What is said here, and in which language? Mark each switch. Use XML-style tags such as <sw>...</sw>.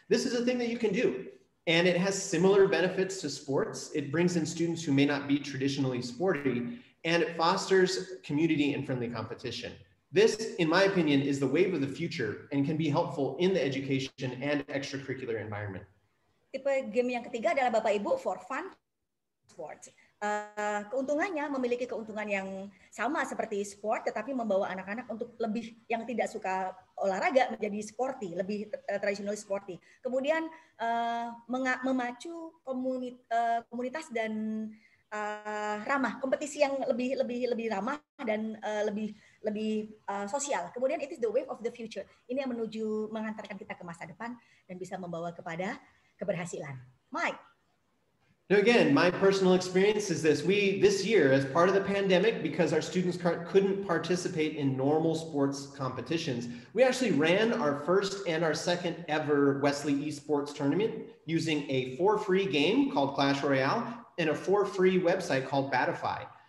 <en>This is a thing that you can do. And it has similar benefits to sports. It brings in students who may not be traditionally sporty, and it fosters community and friendly competition. This, in my opinion, is the wave of the future and can be helpful in the education and extracurricular environment.</en> <id>Tipe game yang ketiga adalah Bapak Ibu</id> <en>for fun sports.</en> <id>Keuntungannya memiliki keuntungan yang sama seperti sport, tetapi membawa anak-anak untuk lebih yang tidak suka olahraga menjadi sporty, lebih</id> <en>traditional sporty.</en> <id>Kemudian memacu komunitas dan ramah kompetisi yang lebih ramah dan lebih sosial.</id> <en>Kemudian it is the wave of the future.</en> <id>Ini yang menuju mengantarkan kita ke masa depan dan bisa membawa kepada keberhasilan. Mike.</id> <en>Now again, my personal experience is this. This year, as part of the pandemic, because our students couldn't participate in normal sports competitions, we actually ran our first and our second ever Wesley Esports tournament using a for-free game called Clash Royale and a for-free website called Battlefy.</en>